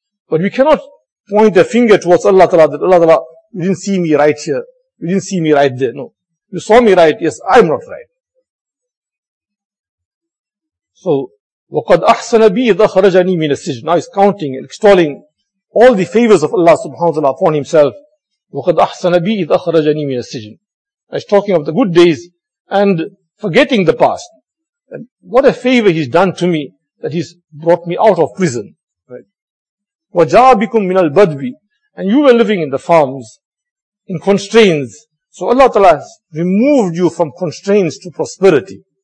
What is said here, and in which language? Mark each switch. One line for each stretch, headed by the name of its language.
English: But we cannot point a finger towards Allah Ta'ala that Allah Ta'ala, you didn't see me right here, you didn't see me right there, no. You saw me right, yes, I'm not right. So,
Arabic: وَقَدْ أَحْسَنَ بِي إِذْ أَخْرَجَنِي مِنَ السِّجْنِ.
English: Now he's counting and extolling all the favors of Allah subhanahu wa ta'ala upon himself.
Arabic: وَقَدْ أَحْسَنَ بِي إِذْ أَخْرَجَنِي مِنَ السِّجْنِ.
English: Now he's talking of the good days and forgetting the past. And what a favor he's done to me that he's brought me out of prison.
Arabic: وَجَاءَ بِكُم مِنَ الْبَدْوِ.
English: And you were living in the farms, in constraints. So Allah Ta'ala has removed you from constraints to prosperity.